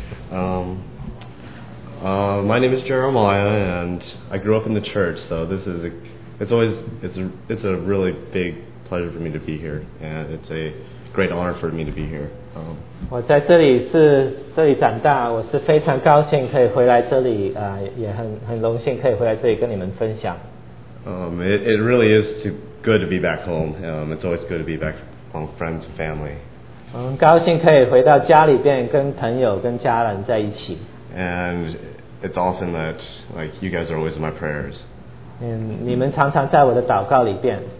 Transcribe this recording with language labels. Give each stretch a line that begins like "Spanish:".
English: My name is Jeremiah, and I grew up in the church, so this is it's a really big pleasure for me to be here, and it's a great honor for me to be here.
Chinese: 我在这里是这里长大，我是非常高兴可以回来这里，也很荣幸可以回来这里跟你们分享。
English: It really is too good to be back home. It's always good to be back home, friends, family.
Chinese: 很高兴可以回到家里边跟朋友跟家人在一起。
English: And it's often that like you guys are always in my prayers.
Chinese: 嗯，你们常常在我的祷告里边。